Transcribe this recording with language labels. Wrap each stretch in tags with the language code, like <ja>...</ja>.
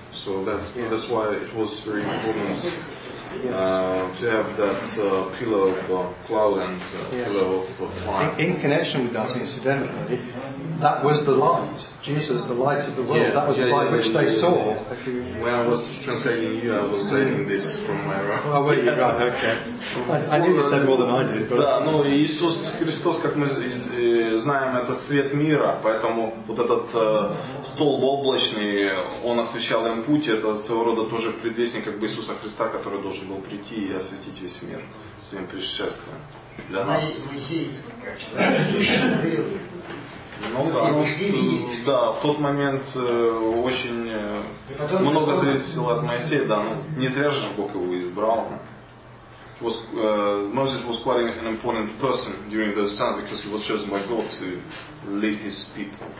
<en>So that's why it was very important to have that pillar of cloud and pillar of fire. In connection with that, incidentally, that was the light. Jesus, the light of the world. Yeah. That was the light which they saw. When I was translating you, I was saying this from my right. Oh, well, you're right. Okay. I knew you said more than I did. But</en> <ru>да, но Иисус Христос, как мы знаем, это свет мира, поэтому вот этот столб облачный, он освещал им путь. Это своего рода тоже предвестник как бы Иисуса Христа, который должен был прийти и осветить весь мир своим пришествием для нас. Ну да, да, в тот момент очень много зависело от Моисея, да, ну не зря же Бог его избрал.</ru> <en>Moses was quite an important person during those times because he was chosen by God to lead his people.</en>